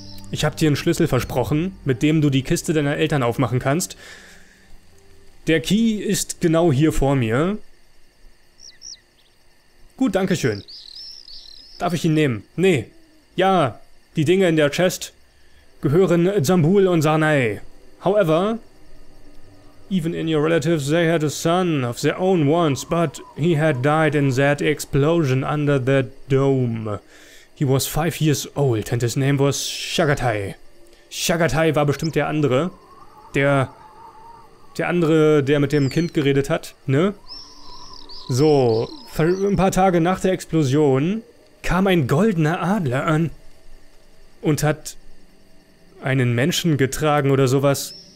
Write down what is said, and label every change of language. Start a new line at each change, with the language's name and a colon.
German: Ich habe dir einen Schlüssel versprochen, mit dem du die Kiste deiner Eltern aufmachen kannst. Der Key ist genau hier vor mir. Gut, danke schön. Darf ich ihn nehmen? Nee. Ja, die Dinge in der Chest gehören Zambul und Sarnai.
English: However, even in your relatives, they had a son of their own once, but he had died in that explosion under the dome. He was 5 years old and his name was Shagatai.
German: Shagatai war bestimmt der andere. Der andere, der mit dem Kind geredet hat, ne? So, ein paar Tage nach der Explosion kam ein goldener Adler an und hat einen Menschen getragen oder sowas.